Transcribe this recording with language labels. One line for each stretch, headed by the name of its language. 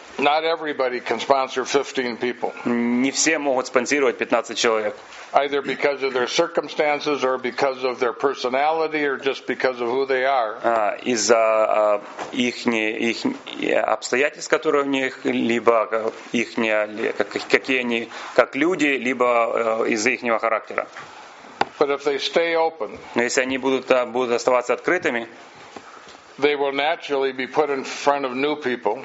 English: Not everybody can sponsor 15 people.
Russian: Не все могут спонсировать 15 человек.
English: Either because of their circumstances or because of their personality or just because of who they are.
Russian: Из-за их обстоятельств, которые у них, либо какие они как люди, либо из-за ихнего характера.
English: But if they stay open,
Russian: но если они будут оставаться открытыми,
English: they will naturally be put in front of new people.